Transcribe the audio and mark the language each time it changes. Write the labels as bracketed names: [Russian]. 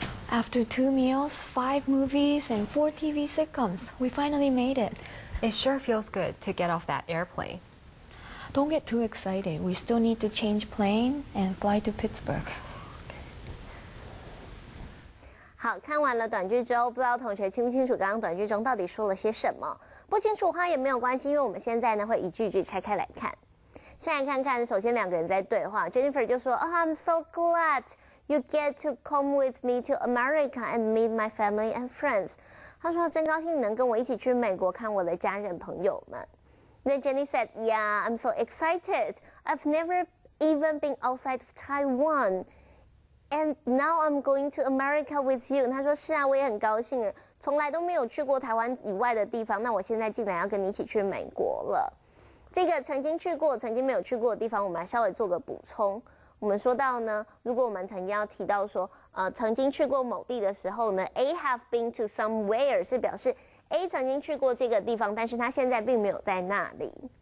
[English] After 2 meals, 5 movies, and 4 TV sitcoms, we finally made it. It sure feels good to get off that airplane. Don't get too excited. We still need to change plane and fly to Pittsburgh. [Chinese] 好，看完了短句之后，不知道同学清不清楚刚刚短句中到底说了些什么？不清楚的话也没有关系，因为我们现在呢会一句一句拆开来看。现在看看，首先两个人在对话。 [English] Jennifer [Chinese] 就说 [English] ，Oh, I'm so glad you get to come with me to America and meet my family and friends. [Chinese] 她说真高兴你能跟我一起去美国看我的家人朋友们。 [English] Then Jenny said, Yeah, I'm so excited. I've never even been outside of Taiwan. And now I'm going to America with you. [Chinese] 他说是啊，我也很高兴，从来都没有去过台湾以外的地方。那我现在竟然要跟你一起去美国了。这个曾经去过、曾经没有去过的地方，我们稍微做个补充。我们说到呢，如果我们曾经要提到说，曾经去过某地的时候呢 ， [English] A have been to somewhere [Chinese] 是表示 A 曾经去过这个地方，但是他现在并没有在那里。